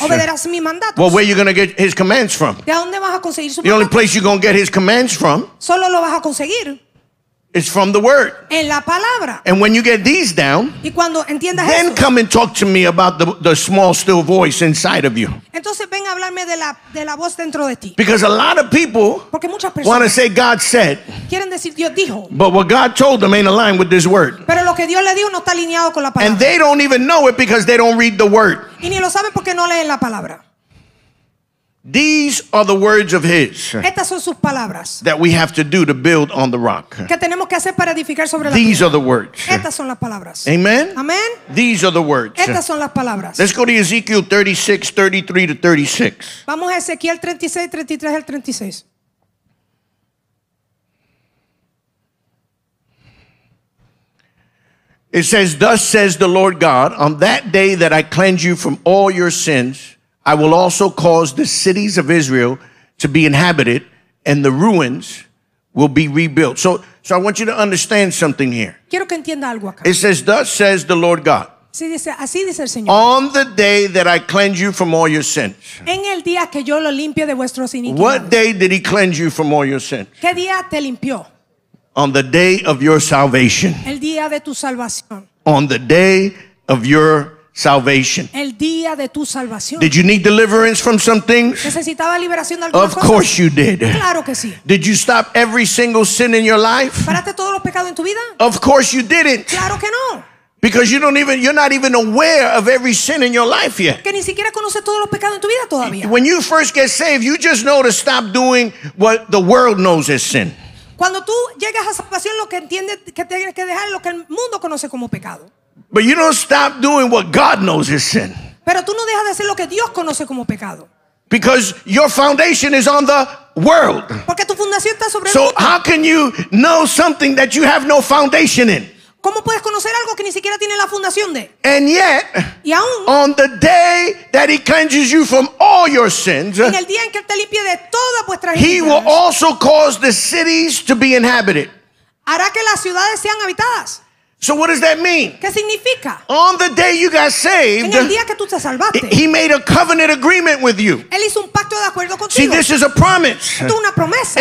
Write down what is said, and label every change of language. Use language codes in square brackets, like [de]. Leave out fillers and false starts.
[es] obedecerás mis mandatos. [en] Well, where are you going to get his commands from? [es] ¿De dónde vas a conseguir su [en] the [es] mandato? [en] Only place you're going to get his commands from [es] solo lo vas a conseguir [en] it's from the word. [es] En la palabra. [en] And when you get these down, [es] y cuando entiendas [en] then [es] esto, [en] come and talk to me about the small still voice inside of you. [es] Entonces ven a hablarme de la voz dentro de ti. [en] Because a lot of people [es] porque muchas personas [en] want to say God said, [es] quieren decir Dios dijo, [en] but what God told them ain't aligned with this word. [es] Pero lo que Dios le dijo no está alineado con la palabra. [en] And they don't even know it because they don't read the word. [es] Y ni lo saben porque no leen la palabra. [en] These are the words of his. [es] Estas son sus palabras. [en] That we have to do to build on the rock. [es] Que tenemos que hacer para edificar sobre la [en] These [es] piedra. [en] Are the words. [es] Estas son las palabras. [en] Amen. [es] Amen. [en] These are the words. [es] Estas son las palabras. [en] Let's go to Ezekiel 36, 33 to 36. [es] Vamos a Ezequiel 36, 33 al 36. [en] It says, thus says the Lord God, on that day that I cleanse you from all your sins, I will also cause the cities of Israel to be inhabited, and the ruins will be rebuilt. So I want you to understand something here. [es] Quiero que entienda algo acá. [en] It says, thus says the Lord God. [es] Sí, dice, así dice el Señor. [en] On the day that I cleanse you from all your sins. [es] En el día que yo lo limpio de vuestros iniquidades. [en] What day did he cleanse you from all your sins? [es] ¿Qué día te limpió? [en] On the day of your salvation. [es] El día de tu salvación. [en] On the day of your salvation. [es] El día de tu salvación. [en] Did you need deliverance from some things? [es] ¿Necesitaba liberación de alguna cosa? [en] Of course you did. [es] Claro que sí. [en] Did you stop every single sin in your life? [es] ¿Paraste todos los pecados en tu vida? [en] Of course you didn't. [es] Claro que no. [en] Because you're not even aware of every sin in your life yet. [es] Que ni siquiera conoces todos los pecados en tu vida todavía. [en] When you first get saved, you just know to stop doing what the world knows as sin. [es] Cuando tú llegas a salvación, lo que entiendes que tienes que dejar es lo que el mundo conoce como pecado. [en] But you don't stop doing what God knows is sin. [es] Pero tú no dejas de hacer lo que Dios conoce como pecado. [en] Because your foundation is on the world. [es] Porque tu fundación está sobre [en] so [es] el mundo. [en] How can you know something that you have no foundation in? [es] ¿Cómo puedes conocer algo que ni siquiera tiene la fundación de? [en] And yet, [es] y aún, [en] on the day that he cleanses you from all your sins, [es] en el día en que él te limpie de todas vuestras iniquidades, [en] he will also cause the cities to be inhabited. [es] Hará que las ciudades sean habitadas. [en] So what does that mean? [es] ¿Qué significa? [en] On the day you got saved, [es] en el día que tú te salvaste, [en] he made a covenant agreement with you. [es] Él hizo un pacto de acuerdo contigo. [en] See, this is a promise. [es] Esto es una promesa.